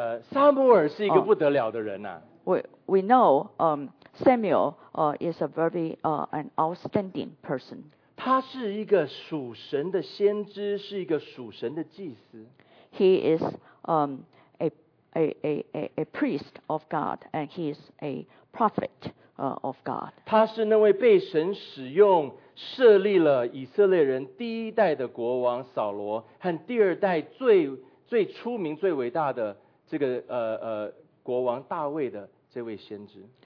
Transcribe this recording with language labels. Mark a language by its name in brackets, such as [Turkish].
[Chinese] 撒母耳是一个不得了的人啊。 [English] We know Samuel is a very an outstanding person. [Chinese] 他是一个属神的先知，是一个属神的祭司。 [English] He is a priest of God and he is a prophet of God. [Chinese] 他是那位被神使用设立了以色列人第一代的国王扫罗和第二代最出名最伟大的这个国王大卫的这位先知。